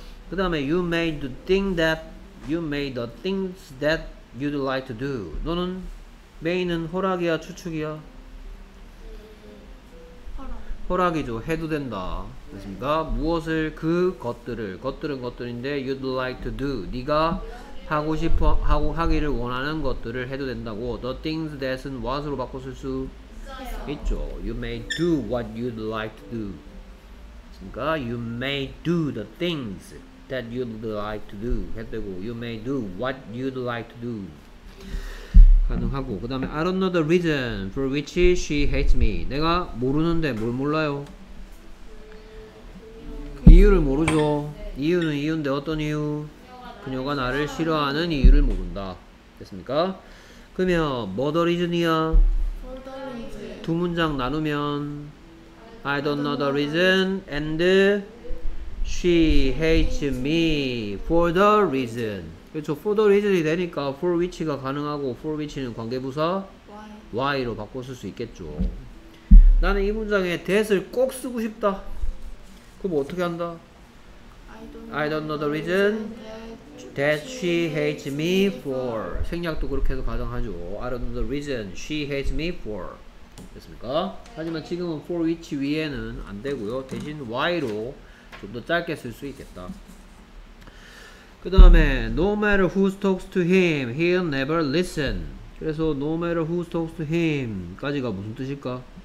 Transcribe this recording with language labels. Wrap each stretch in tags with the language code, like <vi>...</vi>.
<en>그 다음에 you made the things that you'd like to do.</en> <ko>너는 메인은 호락이야 추측이야? 호락. 호락이죠. 해도 된다. 그렇습니까? 네. 무엇을 그 것들을 것들은 것들인데</ko> <en>you'd like to do.</en> <ko>네가 하고 싶어 하고 하기를 원하는 것들을 해도 된다고.</ko> <en>the things that은 what으로 바꿔 쓸 수</en> <ko>있어요. 있죠.</ko> <en>you may do what you'd like to do. 그러니까 you may do the things that you'd like to do 해도 되고 you may do what you'd like to do 가능하고 그 다음에 I don't know the reason for which she hates me.</en> <ko>내가 모르는데 뭘 몰라요? 이유를 모르죠. 이유는 이유인데 어떤 이유? 그녀가 나를 싫어하는 이유를 모른다. 됐습니까? 그러면 뭐 the reason이야? 두 문장 나누면</ko> <en>I don't know the reason and She hates me for the reason.</en> <ko>그렇죠. For the reason이 되니까 for which가 가능하고 for which는 관계부사</ko> <en>why.</en> <ko>why로 바꿔 쓸 수 있겠죠. 나는 이 문장에 that을 꼭 쓰고 싶다. 그럼 어떻게 한다?</ko> <en>I don't know the reason that she hates me for.</en> <ko>생략도 그렇게 해서 가능하죠.</ko> <en>I don't know the reason she hates me for.</en> <ko>됐습니까? 하지만 지금은 for which 위에는 안 되고요. 대신 why로 좀 더 짧게 쓸 수 있겠다.</ko> <en>그 다음에 No matter who talks to him, he'll never listen.</en> <ko>그래서</ko> <en>No matter who talks to him</en> <ko>까지가 무슨 뜻일까?</ko>